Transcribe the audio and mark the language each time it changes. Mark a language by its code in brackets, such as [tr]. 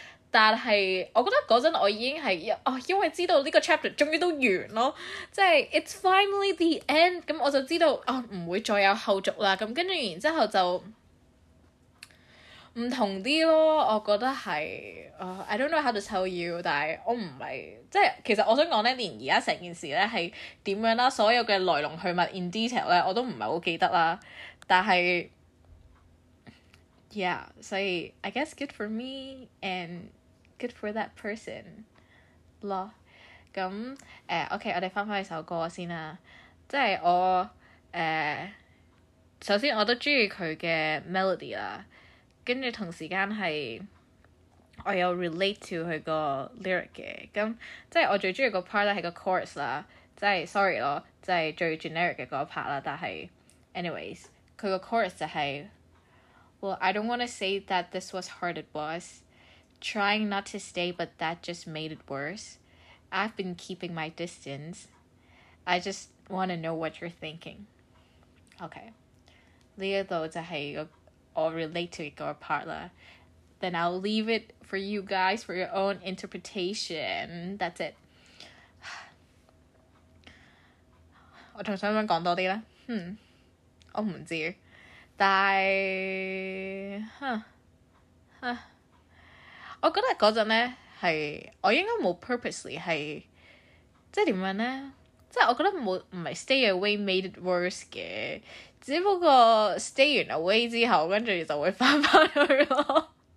[yue] 但係我覺得嗰陣我已經係因為知道呢個 chapter 終於都完咯，即係 [en] it's finally the end， [yue] 咁我就知道啊唔會再有後續啦。咁跟住然之後就唔同啲咯，我覺得係 [en] I don't know how to tell you， [yue] 但係我唔係即係其實我想講咧，連而家成件事咧係點樣啦，所有嘅來龍去脈 [en] in detail [yue] 咧，我都唔係好記得啦。但係 [en] yeah， 所以 I guess good for me and good for that person 咯。 [yue] 咁OK， 我哋翻返去首歌先啦。即係我首先我都中意佢嘅 melody 啦。跟住同時間係我有 relate to 佢個 lyric 嘅，咁即係我最中意個 part 咧係個 chorus 啦，即係 sorry 咯，即係最 generic 嘅嗰一 part 啦。但係 anyways， 佢個 chorus 就係 [en] Well I don't wanna say that this was hard it was trying not to stay but that just made it worse I've been keeping my distance I just wanna know what you're thinking okay [yue] 呢一度就係個or relate to it or part lah. [en] Then I'll leave it for you guys for your own interpretation. That's it. [yue] 我仲想唔想講多啲咧？我唔知，但係，我覺得嗰陣咧係我應該冇 purposely 係，即係點樣咧？即係我覺得冇唔係 [en] stay away made it worse [yue] 嘅。只不過 stay 完 away 之後，跟住就會翻返去咯。